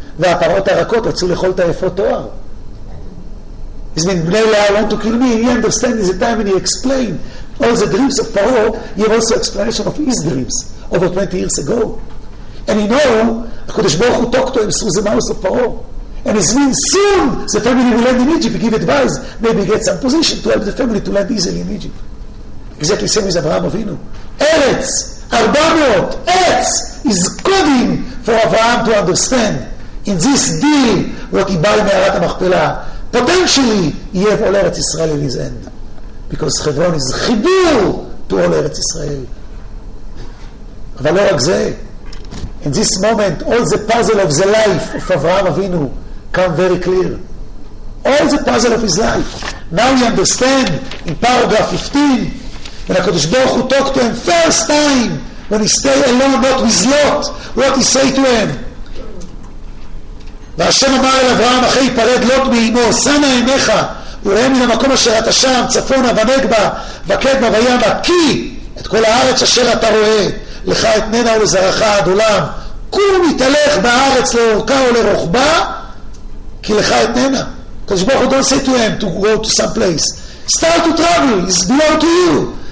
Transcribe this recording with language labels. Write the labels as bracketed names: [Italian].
[Hebrew] והפרות הרכות רצו לאכול את היפה תואר. [English] He's been בני לאה, want to kill me, and he understand the time when he explained all the dreams of פרו, he have also explanation of his dreams over 20 years ago. And he know, HaKadosh Baruch Hu talk to him through the mouth of Paro. And it's mean soon the family will land in Egypt, give advice, maybe get some position to help the family to land easily in Egypt. Exactly same as Avraham Avinu. Eretz, Arbamot, Eretz is coding for Avraham to understand in this deal what he buy Me'arat HaMachpelah. Potentially, he have all Eretz Israel in his end. Because Hebron is chibur to all Eretz Israel. [Hebrew] אבל לא רק זה. [English] In this moment, all the puzzle of the life of Avraham Avinu come very clear. All the puzzle of his life. Now you understand in paragraph 15 when HaKadosh Baruch Hu talk to him first time when he stay alone not with Lot, what he say to him? [Hebrew] והשם אמר אל אברהם אחרי ייפרד לוט מאמו, שמה עיניך וראה מן המקום אשר אתה שם צפונה ונגבה וקדמה וימה, כי את כל הארץ אשר אתה רואה לך אתננה ולזרעך עד עולם, קום יתהלך בארץ לאורכה ולרוחבה כי לך אתננה. [English] קדוש ברוך הוא, don't say to him to go to some place, start to travel, it's belong to you.